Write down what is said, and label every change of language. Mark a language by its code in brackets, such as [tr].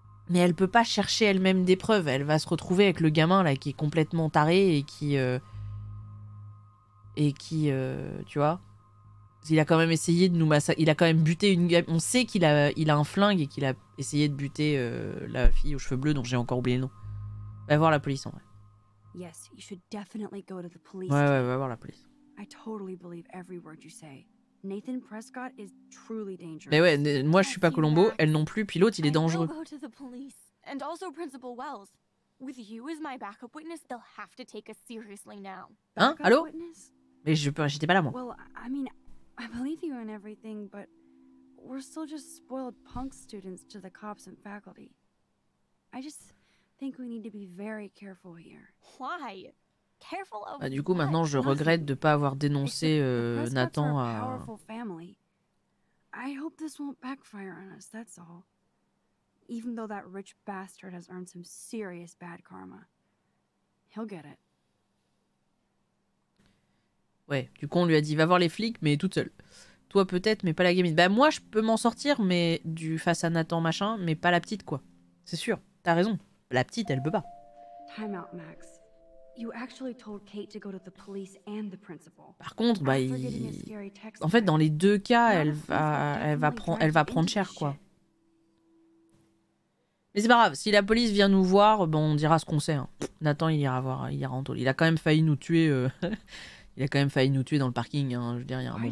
[fr] Mais elle peut pas chercher elle-même des preuves, elle va se retrouver avec le gamin là qui est complètement taré et qui tu vois, il a quand même essayé de nous massacrer, il a quand même buté une, on sait qu'il a il a un flingue et qu'il a essayé de buter la fille aux cheveux bleus dont j'ai encore oublié le nom. Va voir la police en vrai. [en] Yes, you should definitely go to the police. [fr] Ouais, ouais, va voir la police. [en] I totally believe every word you say. Nathan Prescott is truly dangerous. [fr] Mais ouais, moi je suis pas Columbo, elle non plus, puis l'autre, il est dangereux. [en] I will go to the police. And also Principal Wells. With you as my backup witness, they'll have to take us seriously now. [fr] Hein? Allô? Mais j'étais pas là moi. [en] Well, I mean, I believe you and everything, but we're still just spoiled punk students to the cops and faculty. I just think we need to be very careful here. Why? Careful of [fr] bah, du coup, maintenant, je regrette de ne pas avoir dénoncé Nathan à... [en] I hope this won't backfire on us, that's all. Even though that rich bastard has earned some serious bad karma. He'll get it. [fr] Ouais, du coup, on lui a dit, va voir les flics, mais toute seule. Toi, peut-être, mais pas la gamine. Bah, moi, je peux m'en sortir, mais du face à Nathan, machin, mais pas la petite, quoi. C'est sûr, t'as raison. La petite, elle peut pas. [en] Time out, Max. You actually told Kate to go to the police and the principal. [fr] Par contre, bah, en fait, dans les deux cas, elle va prendre cher, quoi. Mais c'est pas grave. Si la police vient nous voir, bon, on dira ce qu'on sait. Hein. Nathan, il ira voir, il ira en taule. Il a quand même failli nous tuer. il a quand même failli nous tuer dans le parking. Hein. Je veux dire, il y a un moment.